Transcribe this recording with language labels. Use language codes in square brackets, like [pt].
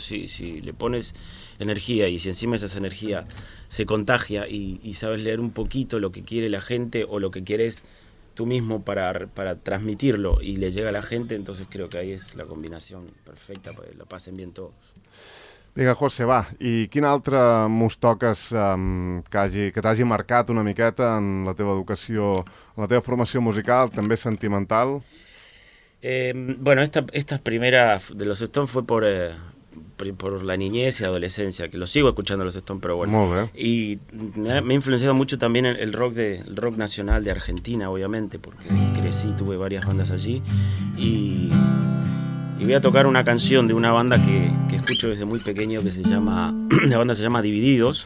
[es] Si le pones energía y si encima esa energía se contagia y sabes leer un poquito lo que quiere la gente o lo que quieres tú mismo para transmitirlo y le llega a la gente, entonces creo que ahí es la combinación perfecta, pues lo pasen bien todos. [ca] Vinga, José, va. I quin altre mos toques que t'hagi marcat una miqueta en la teva educació, en la teva formació musical, també sentimental? [es] Bueno, esta primera de los Stones fue por la niñez y adolescencia, que lo sigo escuchando los Stones, pero bueno. Muy bien. Y me ha influenciado mucho también el rock nacional de Argentina, obviamente, porque crecí, tuve varias bandas allí, y voy a tocar una canción de una banda que escucho desde muy pequeño que se llama, la banda se llama Divididos.